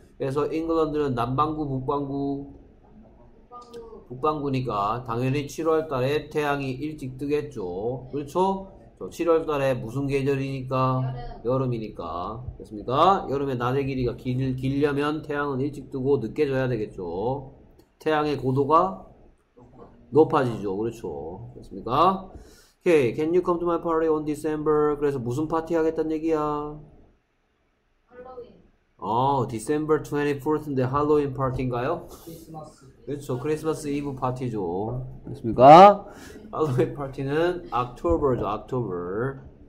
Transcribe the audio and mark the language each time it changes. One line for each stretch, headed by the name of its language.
Korean: 그래서 잉글랜드는 남반구, 북반구? 북반구니까 당연히 7월 달에 태양이 일찍 뜨겠죠. 그렇죠? 또 7월 달에 무슨 계절이니까 여름. 여름이니까 됐습니까? 여름에 낮의 길이가 길려면 태양은 일찍 뜨고 늦게 져야 되겠죠. 태양의 고도가 높아지죠. 그렇죠. 됐습니까?
English: Okay, can you come to my party on December?
Korean: 그래서 무슨 파티 하겠다는 얘기야? 할로윈. 어, December 24th인데 할로윈 파티인가요? 크리스마스. 그렇죠. 크리스마스 이브 파티죠. 됐습니까? 할로윈 파티는 October죠. October.